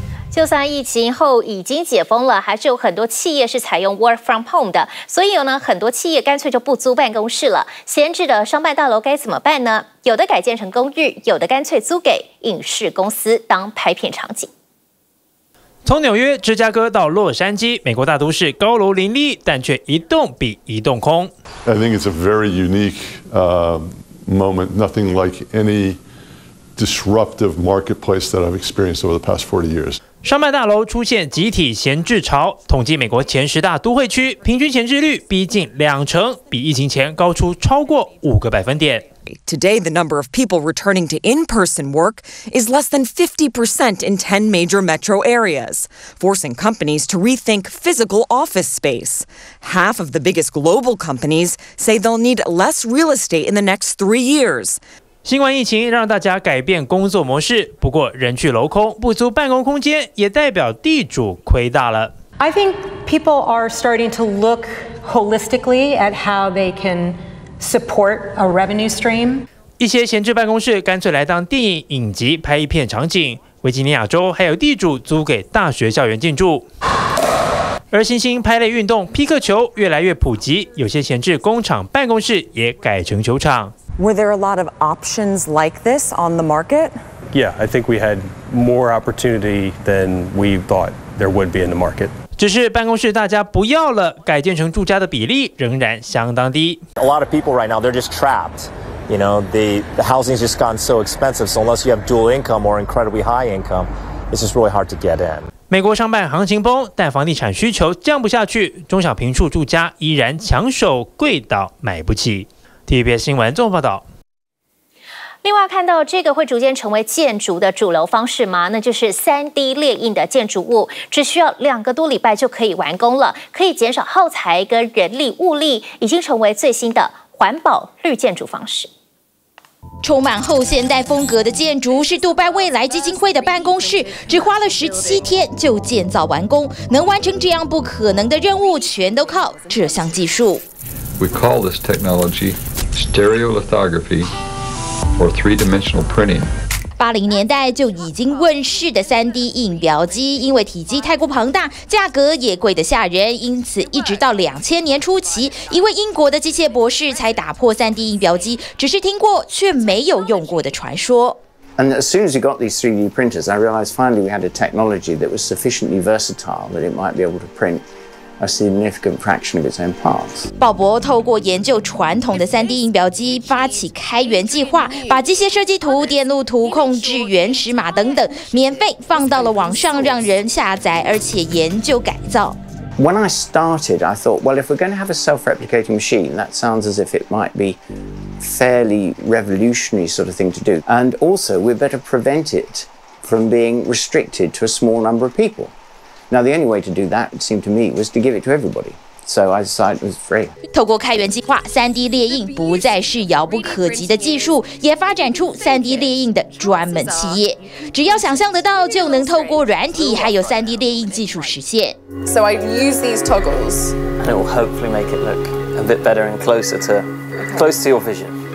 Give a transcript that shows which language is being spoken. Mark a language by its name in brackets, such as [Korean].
[Chinese] 就算疫情后已经解封了，还是有很多企业是采用 [English] work from home [Chinese] 的，所以呢，很多企业干脆就不租办公室了。闲置的商办大楼该怎么办呢？有的改建成公寓，有的干脆租给影视公司当拍片场景。从纽约、芝加哥到洛杉矶，美国大都市高楼林立，但却一栋比一栋空。 [English] I think it's a very unique moment, nothing like any disruptive marketplace that I've experienced over the past 40 years. [Chinese] 商办大楼出现集体闲置潮，统计美国前十大都会区平均闲置率逼近20%，比疫情前高出超过5个百分点。 [English] Today, the number of people returning to in-person work is less than 50% in 10 major metro areas, forcing companies to rethink physical office space. Half of the biggest global companies say they'll need less real estate in the next 3 years. [Chinese] 新冠疫情让大家改变工作模式，不过人去楼空，不租办公空间也代表地主亏大了。 [English] I think people are starting to look holistically at how they can support a revenue stream. [Chinese] 一些闲置办公室干脆来当电影影集拍一片场景。维吉尼亚州还有地主租给大学校园进驻。而新兴拍类运动匹克球越来越普及，有些闲置工厂办公室也改成球场。 [English] Were there a lot of options like this on the market? Yeah, I think we had more opportunity than we thought there would be in the market. [Chinese] 只是办公室大家不要了，改建成住家的比例仍然相当低。 [English] A lot of people right now they're just trapped, you know, the housing's just gotten so expensive. So unless you have dual income or incredibly high income, it's just really hard to get in. [Chinese] 美国商办行情崩，但房地产需求降不下去，中小平数住家依然抢手，贵到买不起。 TVBS 新闻综合报道。另外看到这个会逐渐成为建筑的主流方式吗？那就是 3D 列印的建筑物，只需要2个多礼拜就可以完工了，可以减少耗材跟人力物力，已经成为最新的环保绿建筑方式。充满后现代风格的建筑是杜拜未来基金会的办公室，只花了17天就建造完工，能完成这样不可能的任务，全都靠这项技术。 [English] We call this technology stereolithography or three-dimensional printing. [Chinese] 80年代就已经问世的 3D 印表机，因为体积太过庞大，价格也贵得吓人，因此一直到2000年初期，一位英国的机械博士才打破 3D 印表机只是听过却没有用过的传说。 [English] And as soon as we got these 3D printers, I realized finally we had a technology that was sufficiently versatile that it might be able to print. A significant fraction of its own parts. [Chinese] 鲍勃透过研究传统的 3D 印表机，发起开源计划，把机械设计图、电路图、控制原始码等等，免费放到了网上，让人下载，而且研究改造。 [English] When I started, I thought, well, if we're going to have a self-replicating machine, that sounds as if it might be fairly revolutionary sort of thing to do. And also, we'd better prevent it from being restricted to a small number of people. Now the only way to do that, it seemed to me, was to give it to everybody. So I decided it was free. [Chinese] 透过开源计划 ，3D 列印不再是遥不可及的技术，也发展出 3D 列印的专门企业。只要想象得到，就能透过软体还有 3D 列印技术实现。 [English] So I use these toggles, and it will hopefully make it look a bit better and close to your vision.